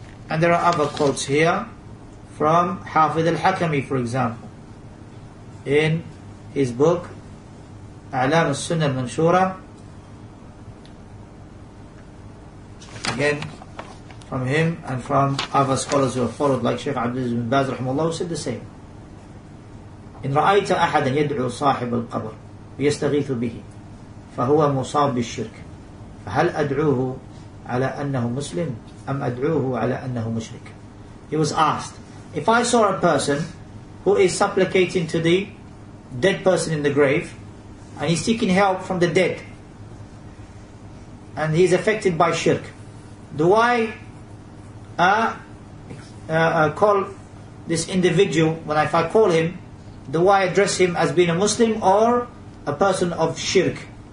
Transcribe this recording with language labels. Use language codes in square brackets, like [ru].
[en] And there are other quotes here from Hafidh al-Hakami, for example, in his book A'lam al-Sunnah al-Manshura, again from him and from other scholars who have followed, like Shaykh Abdulaziz bin Baz rahimahullah, who said the same. [ar] إن رأيت أحدا يدعو صاحب القبر ويستغيث به فهو مصاب بالشرك فهل أدعوه على أنه مسلم أم أدعوه على أنه مشرك. [en] He was asked, if I saw a person who is supplicating to the dead person in the grave and he's seeking help from the dead and he's affected by shirk, do I call this individual, when if I call him, do I address him as being a Muslim or a person of shirk?